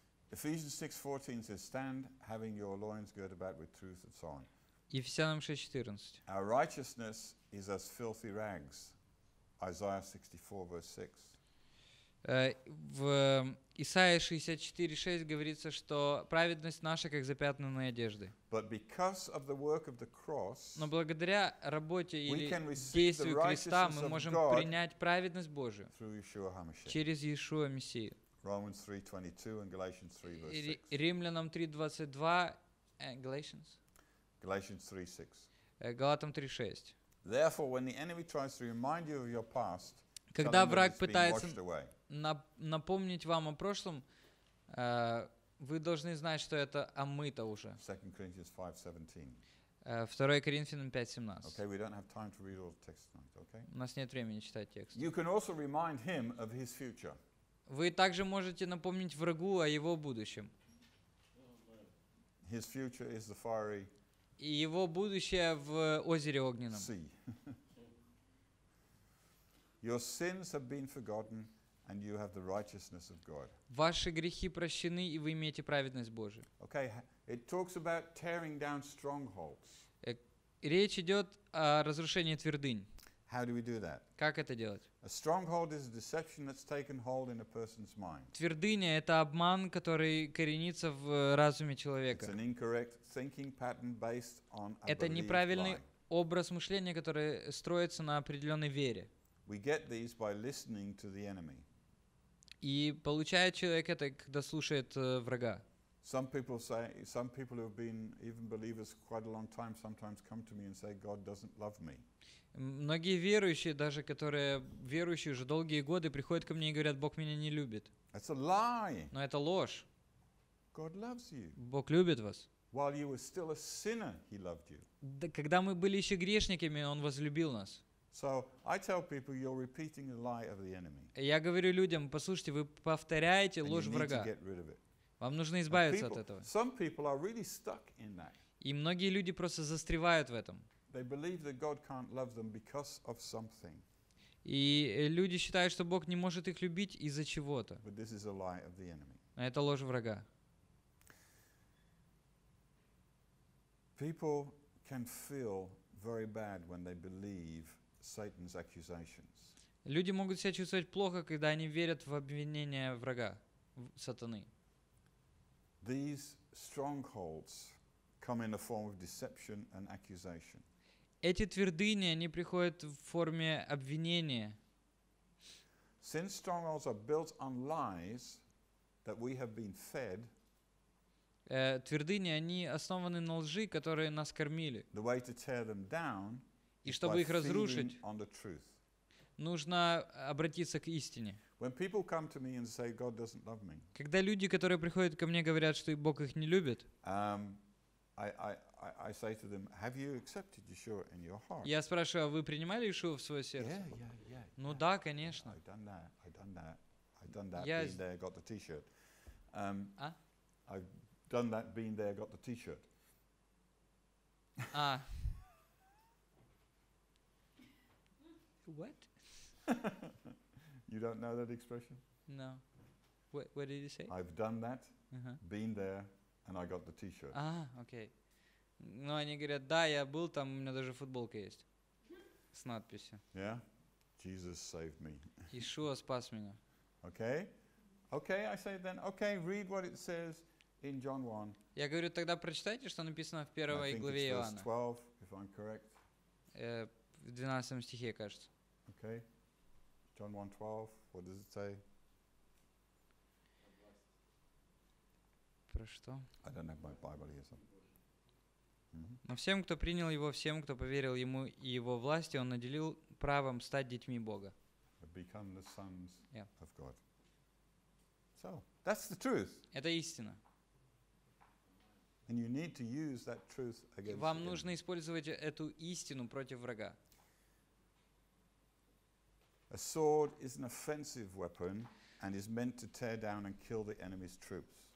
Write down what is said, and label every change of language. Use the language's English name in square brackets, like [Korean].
[English] Ephesians 6:14 says, "Stand, having your loins girt about with truth," and so on. Ephesians 6:14. Our righteousness is as filthy rags, Isaiah 64:6. [Russian] В Исаии 64:6 говорится, что праведность наша как запятнанная одежды. [English] But because of the work of the cross, [Russian] но благодаря работе или действию креста мы можем принять праведность Божию [English] through Yeshua HaMashiach. [Russian] Через Иешуа Мессию. [English] Romans 3:22 and Galatians 3:6. [Russian] Римлянам 3:22 [English] and Galatians. Galatians 3:6. [Russian] Галатам 3:6. [English] Therefore, when the enemy tries to remind you of your past, [Russian] когда враг пытается напомнить вам о прошлом, вы должны знать, что это омыто уже. [English] 2 Corinthians 5:17. [Russian] 2 Коринфянам 5:17. [English] Okay, we don't have time to read all the text tonight. Okay. [Russian] У нас нет времени читать текст. [English] You can also remind him of his future. [Russian] Вы также можете напомнить врагу о его будущем. [English] His future is the fiery. [Russian] И его будущее в озере огненном. [English] See. Your sins have been forgotten, and you have the righteousness of God. [Russian] Ваши грехи прощены, и вы имеете праведность Божию. [English] Okay. It talks about tearing down strongholds. [Russian] Речь идет о разрушении твердынь. [English] How do we do that? [Russian] Как это делать? [English] A stronghold is a deception that's taken hold in a person's mind. [Russian] Твердыня — это обман, который коренится в разуме человека. [English] It's an incorrect thinking pattern based on a believed lie. [Russian] Это неправильный образ мышления, который строится на определенной вере. [English] We get these by listening to the enemy. [Russian] И получает человек это, когда слушает врага. [English] Some people say, some people who have been even believers quite a long time sometimes come to me and say, God doesn't love me. [Russian] Многие верующие, даже которые верующие уже долгие годы, приходят ко мне и говорят, Бог меня не любит. [English] That's a lie. [Russian] Но это ложь. [English] God loves you. [Russian] Бог любит вас. [English] While you were still a sinner, he loved you. [Russian] Да, когда мы были еще грешниками, Он возлюбил нас. [English] So I tell people, you're repeating the lie of the enemy. [Russian] Я говорю людям, послушайте, вы повторяете ложь врага. [English] And you need to get rid of it. [Russian] Вам нужно избавиться [English] people, [Russian] от этого. [English] Some people are really stuck in that. [Russian] И многие люди просто застревают в этом. [English] They believe that God can't love them because of something. [Russian] И люди считают, что Бог не может их любить из-за чего-то. [English] But this is a lie of the enemy. [Russian] А это ложь врага. [English] People can feel very bad when they believe Satan's accusations. [Russian] Люди могут себя чувствовать плохо, когда они верят в обвинения врага, сатаны. [English] These strongholds come in the form of deception and accusation. [Russian] Эти твердыни, они приходят в форме обвинения. [English] Since strongholds are built on lies that we have been fed, [Russian] твердыни, они основаны на лжи, которые нас кормили. [English] The way to tear them down, [Russian] и чтобы их разрушить, [English] on the truth. [Russian] Нужно обратиться к истине. [English] When people come to me and say God doesn't love me, [Russian] когда люди, которые приходят ко мне, говорят, что Бог их не любит, [English] I say to them, have you accepted Yeshua in your heart? [Russian] Я спрашиваю, вы принимали Иешуа в свое сердце? [English] Yeah, yeah, yeah. Ну yeah, [Russian] да, конечно. [English] Yeah, I've done that. Been there, got the T-shirt. I've done that, been there, got the T-shirt. What? You don't know that expression? No. What did you say? I've done that, been there, and I got the T-shirt. Ah, okay. [Russian] Но они говорят, да, я был там, у меня даже футболка есть с надписью. [English] Yeah? Jesus saved me. [Russian] Иешуа спас меня. [English] Okay? Okay, I say then, okay, read what it says in John 1. [Russian] Я говорю, тогда прочитайте, что написано в первой главе Иоанна. [English] I think it's verse 12, if I'm correct. [Russian] В 12 стихе, кажется. [English] Okay. John 1:12, what does it say? [Russian] Про что? [English] I don't have my Bible here, so. [Russian] Но всем, кто принял Его, всем, кто поверил Ему и Его власти, Он наделил правом стать детьми Бога. [English] Become the sons of God. So, that's the truth. [Russian] Это истина. [English] And you need to use that truth against [Russian] Вам нужно использовать эту истину против врага. [English] A sword is an offensive weapon and is meant to tear down and kill the enemy's troops.